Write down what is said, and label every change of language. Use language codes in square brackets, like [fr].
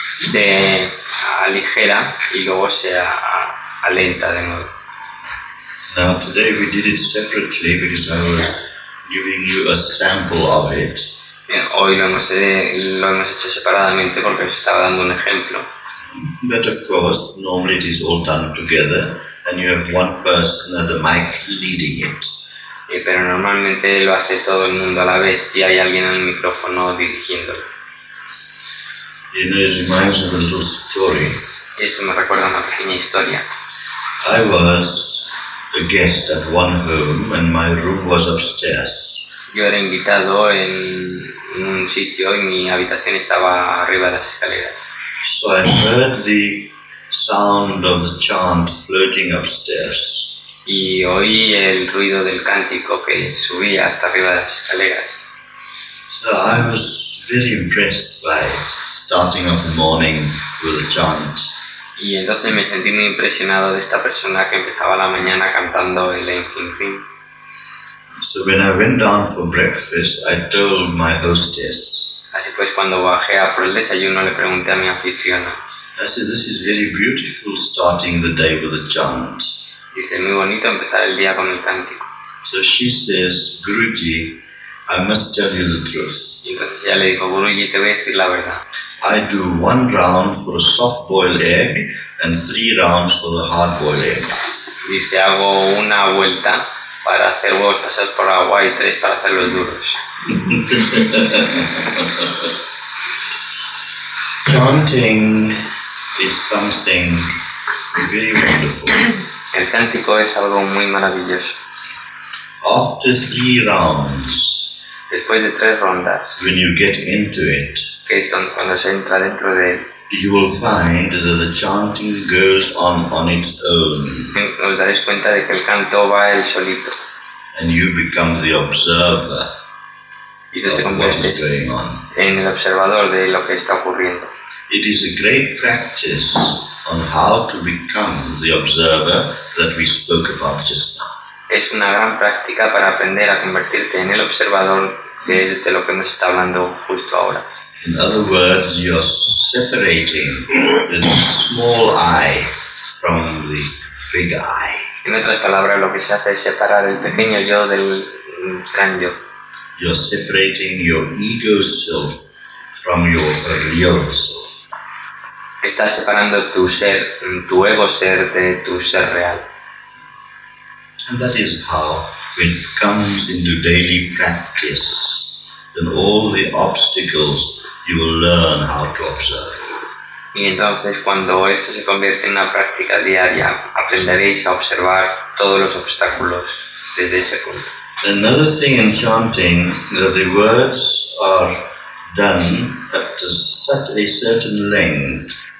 [es] Se aligera y luego se alenta de nuevo. [en] Now today we did it separately because I was giving you a sample of it. [es] Hoy lo hemos hecho separadamente porque os estaba dando un ejemplo. [en] But of course, normally it is all done together, and you have one person at the mic leading it. [es] Pero normalmente lo hace todo el mundo a la vez y hay alguien en el micrófono dirigiéndolo. [en] You know, it reminds me of a little story. [es] Esto me recuerda a una pequeña historia. [en] I was a guest at one home and my room was upstairs. [es] Yo era invitado en un sitio y mi habitación estaba arriba de las escaleras. [en] So I heard the sound of the chant floating upstairs. [es] Y oí el ruido del cántico que subía hasta arriba de las escaleras. [en] So I was very impressed by it, starting off the morning with a chant. [es] Y entonces me sentí muy impresionado de esta persona que empezaba la mañana cantando el Aim Rim Krim. [en] So when I went down for breakfast, I told my hostess. [es] Así pues, cuando bajé a por el desayuno, le pregunté a mi anfitriona. [en] I said, this is very beautiful, starting the day with a chant. [es] Dice, muy bonito empezar el día con el cántico. [en] So she says, Guruji, I must tell you the truth. [es] Y entonces ella le dijo, Guruji, te voy a decir la verdad. [en] I do one round for a soft boiled egg and three rounds for the hard boiled egg. [es] Dice, hago una vuelta para hacer huevos pasados por agua y tres para hacer los duros. [en] Chanting is something very wonderful. [es] El cántico es algo muy maravilloso. [en] After three rounds, [es] después de tres rondas, [en] when you get into it, [es] que es donde cuando se entra dentro de él. [en] You will find that the chanting goes on its own. [es] Nos daréis cuenta de que el canto va él solito. [en] And you become the observer. [es] Y tú te conviertes en el observador de lo que está ocurriendo. [en] It is a great practice on how to become the observer that we spoke about just now. [es] Es una gran práctica para aprender a convertirte en el observador que es de lo que nos está hablando justo ahora. [en] In other words, you are separating the small I from the big I. [es] En otras palabras, lo que se hace es separar el pequeño yo del gran yo. [en] You are separating your ego self from your real self. [es] Estás separando tu ser, tu ego ser, de tu ser real. [en] And that is how, when it comes into daily practice, then all the obstacles you will learn how to observe. [es] Y entonces, cuando esto se convierte en una práctica diaria, aprenderéis a observar todos los obstáculos desde ese punto. [en] Another thing in chanting that the words are done up to such a certain length.